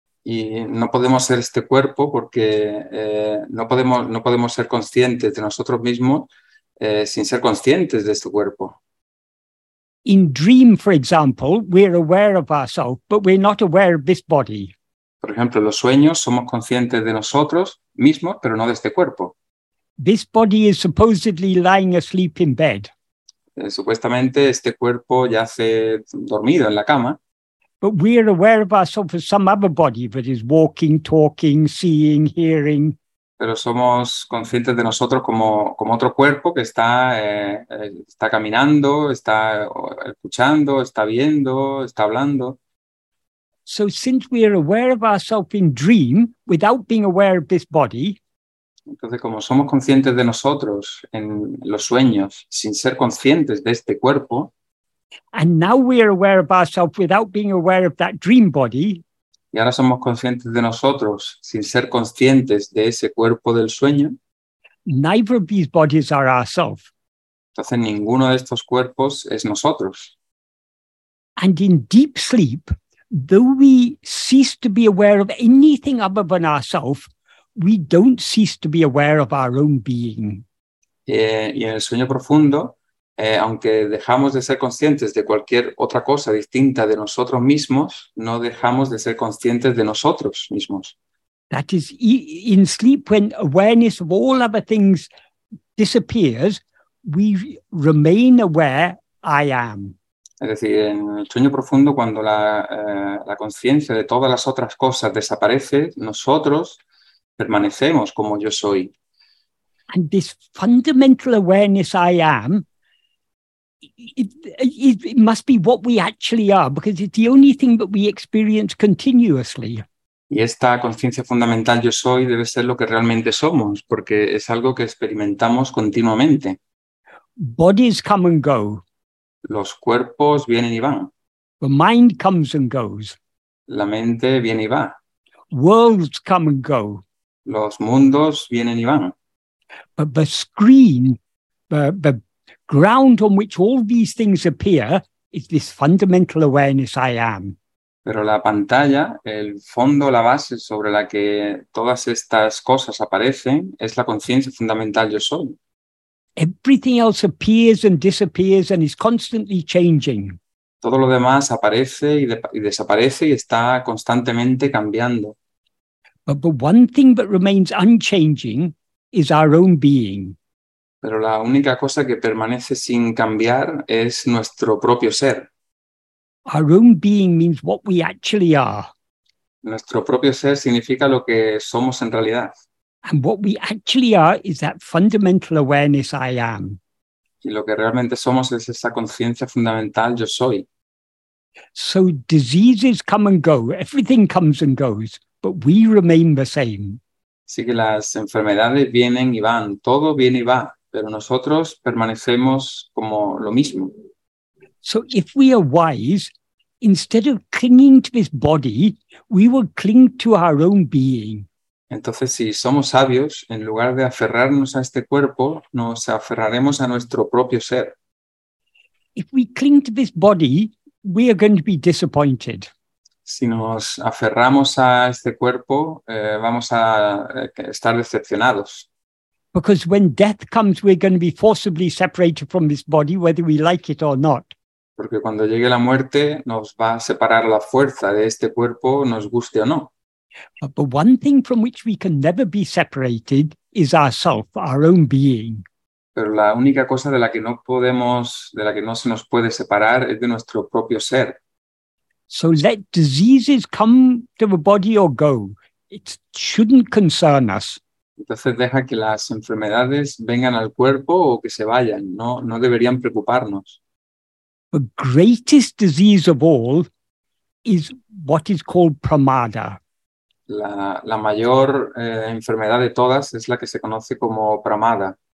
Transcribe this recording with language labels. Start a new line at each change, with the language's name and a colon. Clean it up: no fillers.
Spanish: Y no podemos ser este cuerpo porque no podemos ser conscientes de nosotros mismos sin ser conscientes de este cuerpo.
English: In dream, for example, we're aware of ourselves, but we're not aware of this body.
Spanish: Por ejemplo, en los sueños somos conscientes de nosotros mismos, pero no de este cuerpo.
English: This body is supposedly lying asleep in bed.
Spanish: Supuestamente este cuerpo yace dormido en la cama.
English: But we are aware of ourselves as some other body that is walking, talking, seeing, hearing.
Spanish: Pero somos conscientes de nosotros como otro cuerpo que está caminando, está escuchando, está viendo, está hablando.
English: So since we are aware of ourselves in dream without being aware of this body,
Spanish: entonces, como somos conscientes de nosotros en los sueños, sin ser conscientes de este cuerpo,
English: and now we are aware of ourselves without being aware of that dream body,
Spanish: y ahora somos conscientes de nosotros sin ser conscientes de ese cuerpo del sueño,
English: neither of these bodies are ourselves.
Spanish: Entonces, ninguno de estos cuerpos es nosotros.
English: And in deep sleep, though we cease to be aware of anything other than ourselves, we don't cease to be aware of our own being.
Spanish: Y en el sueño profundo, aunque dejamos de ser conscientes de cualquier otra cosa distinta de nosotros mismos, no dejamos de ser conscientes de nosotros mismos.
English: That is, in sleep, when awareness of all other things disappears, we remain aware I am.
Spanish: Es decir, en el sueño profundo, cuando la conciencia de todas las otras cosas desaparece, nosotros permanecemos como yo soy.
English: And this fundamental awareness I am, it must be what we actually are, because it's the only thing that we experience continuously.
Spanish: Y esta conciencia fundamental yo soy debe ser lo que realmente somos, porque es algo que experimentamos continuamente.
English: Bodies come and go.
Spanish: Los cuerpos vienen y van.
English: The mind comes and goes.
Spanish: La mente viene y va.
English: Worlds come and go.
Spanish: Los mundos vienen y van.
English: But the screen, the ground on which all these things appear, is this fundamental awareness I am.
Spanish: Pero la pantalla, el fondo, la base sobre la que todas estas cosas aparecen, es la conciencia fundamental yo soy.
English: Everything else appears and disappears and is constantly changing.
Spanish: Todo lo demás aparece y desaparece y está constantemente cambiando.
English: But the one thing that remains unchanging is our own being.
Spanish: Pero la única cosa que permanece sin cambiar es nuestro propio ser.
English: Our own being means what we actually are.
Spanish: Nuestro propio ser significa lo que somos en realidad.
English: And what we actually are is that fundamental awareness I am.
Spanish: Y lo que realmente somos es esa conciencia fundamental yo soy.
English: So diseases come and go, everything comes and goes, but we remain the same.
Spanish: Así que las enfermedades vienen y van, todo viene y va, pero nosotros permanecemos como lo mismo.
English: So if we are wise, instead of clinging to this body, we will cling to our own being.
Spanish: Entonces, si somos sabios, en lugar de aferrarnos a este cuerpo, nos aferraremos a nuestro propio ser.
English: If we cling to this body, we are going to be disappointed.
Spanish: Si nos aferramos a este cuerpo, vamos a estar decepcionados.
English: Because when death comes, we're going to be forcibly separated from this body, whether we like it or not.
Spanish: Porque cuando llegue la muerte, nos va a separar la fuerza de este cuerpo, nos guste o no.
English: But the one thing from which we can never be separated is ourself, our own being.
Spanish: Pero la única cosa de la que no podemos, de la que no se nos puede separar, es de nuestro propio ser.
English: So let diseases come to the body or go. It shouldn't concern us.
Spanish: Entonces deja que las enfermedades vengan al cuerpo o que se vayan. No deberían preocuparnos.
English: The greatest disease of all is what is called pramada.
Spanish: La mayor enfermedad de todas es la que se conoce como pramada.